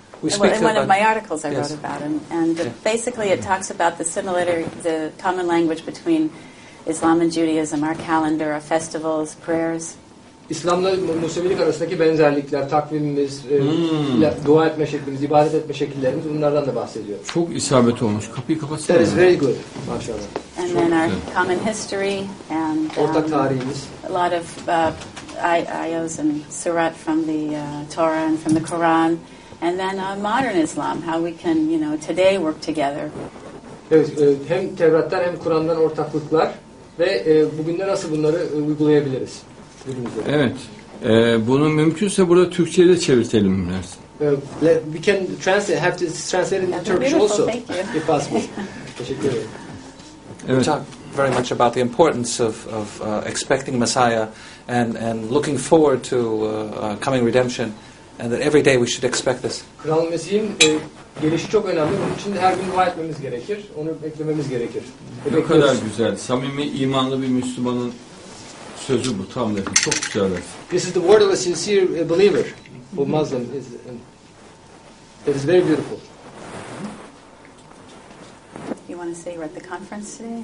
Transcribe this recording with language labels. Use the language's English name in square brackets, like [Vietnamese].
[English] We speak about in one of my articles I wrote about, and basically it talks about the similarity, the common language between Islam and Judaism, our calendar, our festivals, prayers. [Turkish] İslam'la Musevilik arasındaki benzerlikler, takvimimiz, dua etme şeklimiz, ibadet etme şekillerimiz, bunlardan da bahsediyor. Çok isabet olmuş. Kapıyı kapatsın. [English] That is very good. Maşallah. And then our common history and [Turkish] ortak tarihimiz. [English] A lot of ayahs and surat from the Torah and from the Quran, and then modern Islam, how we can, you know, today work together. [Turkish] Evet, hem Tevrat'tan hem Kur'an'dan ortaklıklar ve bugün de nasıl bunları uygulayabiliriz? Evet. Bunu mümkünse burada Türkçe'ye de çevirtelim biraz. [English] We can translate, have to translate in Turkish also, if possible. [Turkish] Teşekkür ederim. [English] Evet. We talk very much about the importance of expecting Messiah and looking forward to coming redemption, and that every day we should expect this. [Turkish] Kral Mesih'in gelişi çok önemli. Onun için her gün dua etmemiz gerekir. Onu beklememiz gerekir. Ne kadar güzel. Samimi, imanlı bir Müslümanın sözü bu, tam dedi. Çok güzel. [English] This is the word of a sincere believer, who Muslim is. It is very beautiful. You want to say you're at the conference today, and